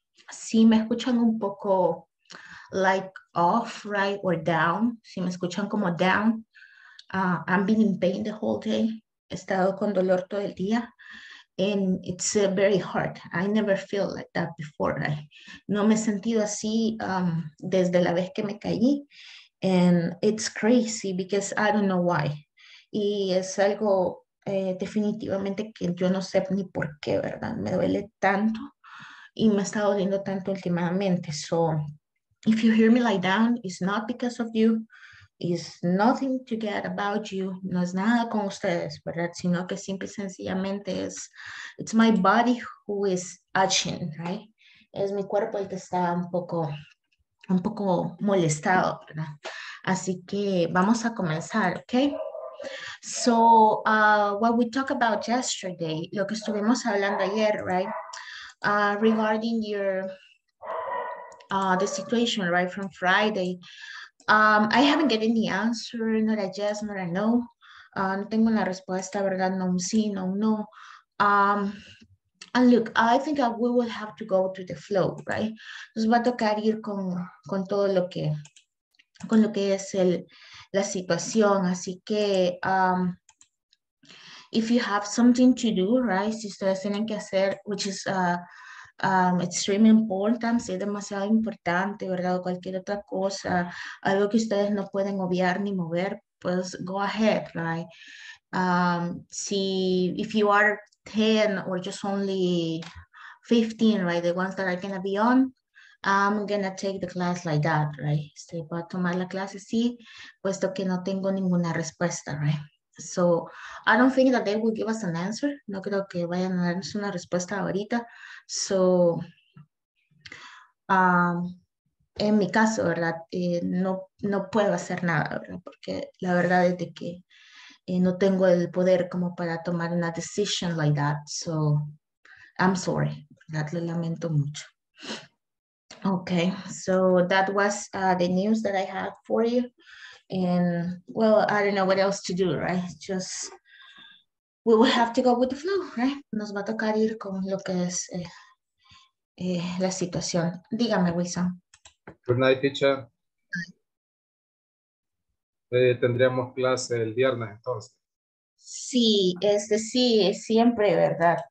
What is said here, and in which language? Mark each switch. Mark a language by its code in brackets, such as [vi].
[es] Si me escuchan un poco [en] like off, right, or down, [es] si me escuchan como [en] down, I've been in pain the whole day, [es] he estado con dolor todo el día, [en] and it's very hard. I never feel like that before, right? [es] No me he sentido así desde la vez que me caí. [en] And it's crazy because I don't know why. [es] Y es algo definitivamente que yo no sé ni por qué, ¿verdad? Me duele tanto y me está doliendo tanto últimamente. [en] So, if you hear me lie down, it's not because of you. It's nothing to get about you. [es] No es nada con ustedes, ¿verdad? Sino que simple y sencillamente es, [en] it's my body who is itching, right? [es] Es mi cuerpo el que está un poco molestado, ¿verdad? Así que vamos a comenzar, ¿ok? [en] So, what we talked about yesterday, [es] lo que estuvimos hablando ayer, right? [en] Regarding the situation, right, from Friday. I haven't gotten the answer, not a yes, not a no. [es] No tengo la respuesta, ¿verdad? No, un sí, no, un no. [en] And look, I think that we will have to go to the flow, right? [es] Nos va a tocar ir con todo lo que con lo que es el la situación. Así que [en] if you have something to do, right? [es] Si ustedes tienen que hacer, [en] which is extremely important, [es] si es demasiado importante, ¿verdad? O cualquier otra cosa, algo que ustedes no pueden obviar ni mover, pues [en] go ahead, right? Si if you are 10 or just only 15, right? The ones that are gonna be on, I'm gonna take the class like that, right? [es] Estoy para tomar la clase, sí, puesto que no tengo ninguna respuesta, right? [en] So, I don't think that they will give us an answer. [es] No creo que vayan a darnos una respuesta ahorita. So, en mi caso, ¿verdad? No puedo hacer nada, ¿verdad? Porque la verdad es de que no tengo el poder como para tomar una decisión [en] like that, so I'm sorry, [es] ¿verdad? Lo lamento mucho. [en] Okay, so that was the news that I had for you, and well, I don't know what else to do, right? Just we will have to go with the flow, right? [es] Nos va a tocar ir con lo que es la situación. Dígame, Wilson. [en] Good night, teacher. [es] Tendríamos clase el viernes, entonces. Sí, sí, siempre, ¿verdad?